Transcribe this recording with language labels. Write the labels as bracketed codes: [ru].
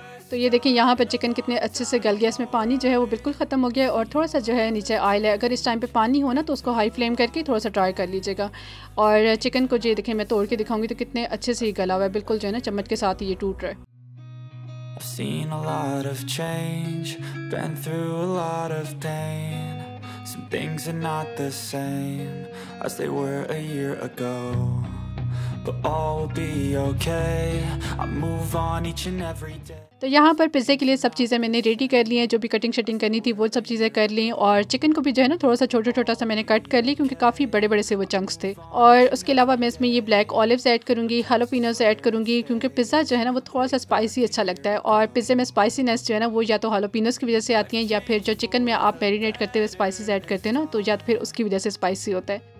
[hi] तो ये देखिए यहाँ पर चिकन कितने अच्छे से गल गया, इसमें पानी जो है वो बिल्कुल ख़त्म हो गया, और थोड़ा सा जो है नीचे ऑयल है। अगर इस टाइम पे पानी हो ना तो उसको हाई फ्लेम करके थोड़ा सा ड्राई कर लीजिएगा। और चिकन को जो ये देखिए मैं तोड़ के दिखाऊंगी तो कितने अच्छे से ही गला हुआ है, बिल्कुल जो है ना चम्मच के साथ ही ये टूट रहा है। [en] I've seen a lot of change, been through a lot of pain. Some things are not the same as they were a year ago. But all will be okay. I move on each and every day. [hi] तो यहाँ पर पिज्ज़े के लिए सब चीज़ें मैंने ready कर ली हैं, जो भी कटिंग शटिंग करनी थी वो सब चीज़ें कर ली, और चिकन को भी जो है ना थोड़ा सा छोटा छोटा सा मैंने कट कर ली क्योंकि काफ़ी बड़े बड़े से वो चंक्स थे। और उसके अलावा मैं इसमें ये ब्लैक ऑलिव्स ऐड करूँगी, हालोपिनोज ऐड करूँगी, क्योंकि पिज़्ज़ा जो है ना वो थोड़ा सा स्पाइसी अच्छा लगता है, और पिज़्ज़े में स्पाइसीनेस जो है ना वो या तो हालोपिनोज की वजह से आती है, या फिर जो चिकन में आप मैरिनेट करते हुए स्पाइसीज ऐड करते हैं ना, तो या तो फिर उसकी वजह से स्पाइसी होता है।